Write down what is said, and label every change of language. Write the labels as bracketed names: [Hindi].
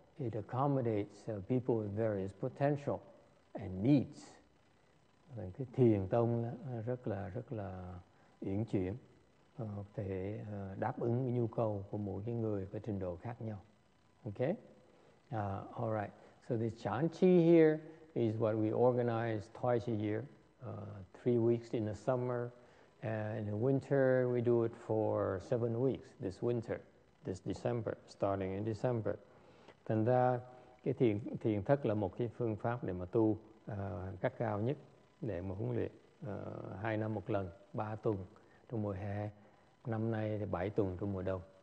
[English] It accommodates people with various potential and needs. [Vietnamese] Cái thiền tông rất là uyển chuyển, có thể đáp ứng nhu cầu của mỗi cái người có trình độ khác nhau. [English] Okay? All right. So this chan chi here is what we organize twice a year. 3 weeks in the summer, and in the winter we do it for 7 weeks. This winter, this December, starting in December. [Vietnamese] Thành ra cái thiền thất là một cái phương pháp để mà tu cắt cao nhất để mà huấn luyện 2 năm một lần, 3 tuần trong mùa hè. Năm nay thì 7 tuần trong mùa đông.